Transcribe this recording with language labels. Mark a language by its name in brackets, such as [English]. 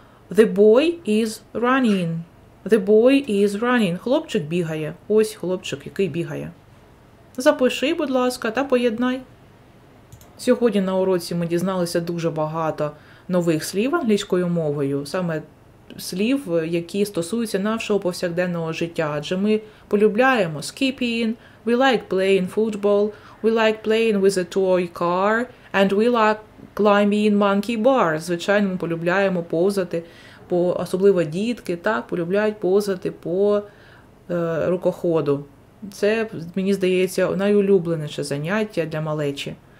[English] The boy is running. The boy is running. [Ukrainian] Хлопчик бігає. Ось хлопчик, який бігає. Запиши, будь ласка, та поєднай. Сьогодні на уроці ми дізналися дуже багато нових слів англійською мовою. Саме слів, які стосуються нашого повсякденного життя. Адже ми полюбляємо [English] skipping, we like playing football, we like playing with a toy car, and we like climbing monkey bars. [Ukrainian] Звичайно, ми полюбляємо повзати, особливо дітки, так, полюбляють повзати по рукоходу. Це, мені здається, найулюбленіше заняття для малечі.